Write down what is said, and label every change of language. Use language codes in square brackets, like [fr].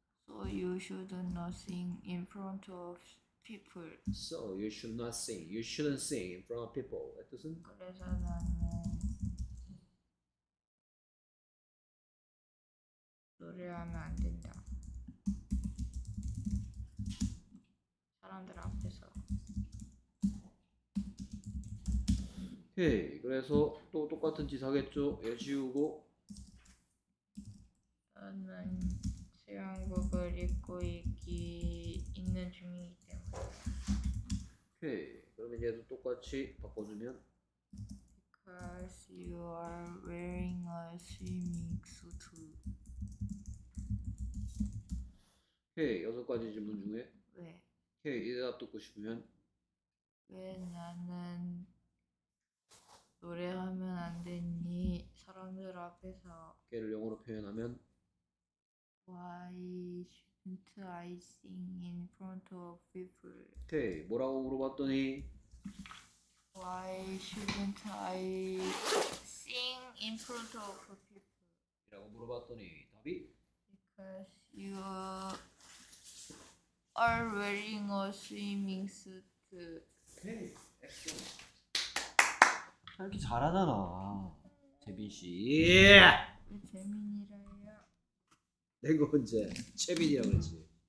[en] So you should not sing in front of people. So you should not sing. You shouldn't sing in front of people. [ko] 이 뜻은? 그래서 나는 노래하면 안 된다. 사람들 앞에서. 오케이. 그래서 또 똑같은 짓 하겠죠? 얘 지우고. 나는 수영복을 입고 있는 중이기 때문에. 오케이. 그러면 얘도 똑같이 바꿔주면. [en] Because you are wearing a swimming suit. [ko] 오케이. 여섯 가지 질문 중에 왜? 오케이. 이 대답 듣고 싶으면 왜 나는 노래하면 안 되니 사람들 앞에서 걔를 영어로 표현하면 [en] Why shouldn't I sing in front of people? [ko] 오케이. 뭐라고 물어봤더니 [en] Why shouldn't I sing in front of people? [ko] 이라고 물어봤더니 답이 [en] Because you are are wearing a swimming suit. [ko] 이렇게 잘하잖아, 재빈 씨. 왜 재민이라 해요? 내가 언제 재빈이라 그랬지?